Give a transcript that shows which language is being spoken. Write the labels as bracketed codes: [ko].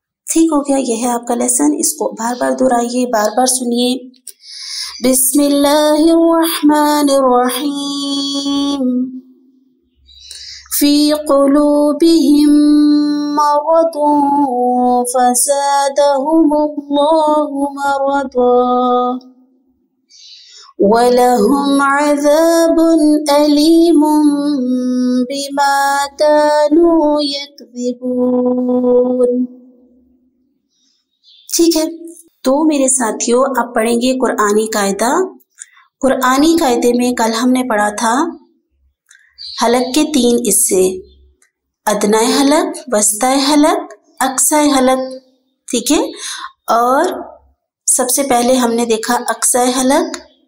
[hi] ठीक हो गया, यह है आपका लेसन, इसको बार बार दोहराइए, बार बार सुनिए। [ar] بسم الله الرحمن الرحيم في قلوبهم مرض فزادهم الله مرضا ولهم عذاب أليم بما كانوا يكذبون। [hi] ठीक है, तो मेरे साथियों आप पढ़ेंगे कुरानी कायदा। कुरानी कायदे में कल हमने पढ़ा था हलक के तीन हिस्से, अदनाए हलक, वस्ताए हलक, अक्साए हलक। ठीक है, और सबसे पहले हमने देखा अक्साए हलक।